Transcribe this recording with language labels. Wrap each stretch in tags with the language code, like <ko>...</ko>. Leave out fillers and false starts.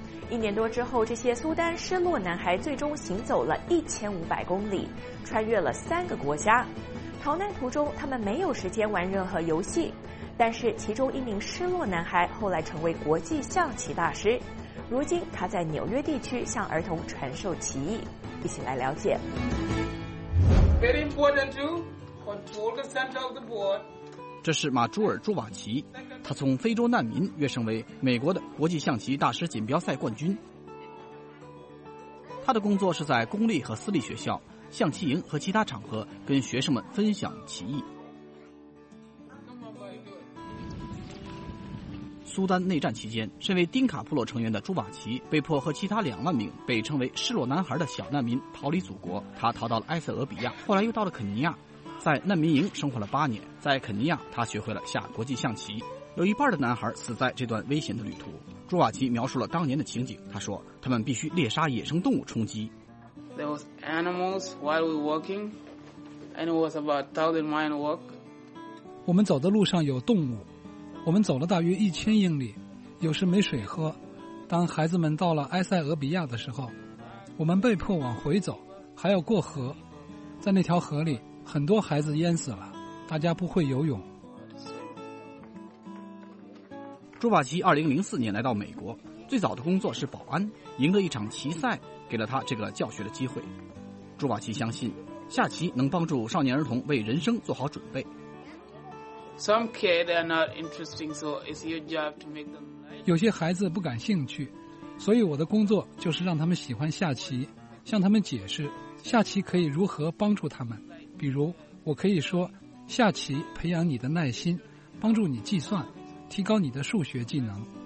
<zh>一年多之后，这些苏丹失落男孩最终行走了1500公里，穿越了3个国家。逃难途中，他们没有时间玩任何游戏，但是其中一名失落男孩后来成为国际象棋大师，如今他在纽约地区向儿童传授棋艺，一起来了解。</zh> <en>Very important to control the center of the board.</en> <zh>这是马朱尔·朱瓦奇，他从非洲难民跃升为美国的国际象棋大师锦标赛冠军。他的工作是在公立和私立学校、象棋营和其他场合跟学生们分享棋艺。苏丹内战期间，身为丁卡部落成员的朱瓦奇被迫和其他2万名被称为失落男孩的小难民逃离祖国。他逃到了埃塞俄比亚，后来又到了肯尼亚，在难民营生活了8年。在肯尼亚，他学会了下国际象棋。有一半的男孩死在这段危险的旅途。朱瓦奇描述了当年的情景，他说他们必须猎杀野生动物充饥。</zh> <en>There was animals while we walking and it was about 1,000 mile walk.</en> <zh>我们走的路上有动物，我们走了大约1000英里，有时没水喝。当孩子们到了埃塞俄比亚的时候，我们被迫往回走，还要过河。在那条河里，很多孩子淹死了，大家不会游泳。朱瓦奇2004年来到美国，最早的工作是保安，赢得一场棋赛，给了他这个教学的机会。朱瓦奇相信，下棋能帮助少年儿童为人生做好准备。</zh> <en>Some kids are not interesting, so it's your job to make them.</en> <zh>有些孩子不感兴趣，所以我的工作就是让他们喜欢下棋，向他们解释下棋可以如何帮助他们。比如，我可以说，下棋培养你的耐心，帮助你计算，提高你的数学技能。</zh>